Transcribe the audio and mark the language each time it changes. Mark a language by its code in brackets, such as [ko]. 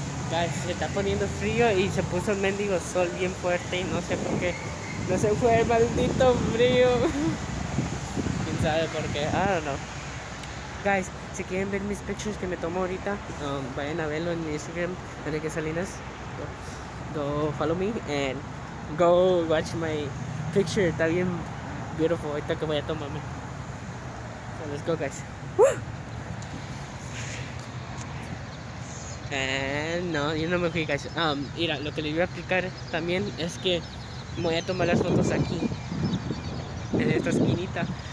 [es] Guys, se está poniendo frío y se puso el mendigo sol bien fuerte y no sé por qué. No se fue el maldito frío. ¿Quién sabe por qué? [en] I don't know. [es] Guys, si quieren ver mis pictures que me tomo ahorita, vayan a verlo en mi Instagram, Enrique Salinas. [en] Go follow me and go watch my picture. [es] Está bien beautiful ahorita que voy a tomarme. [en] So let's go, guys. [es] Woo! And no, yo no me fui, guys. Mira, lo que les voy a explicar también es que voy a tomar las fotos aquí, en esta esquinita.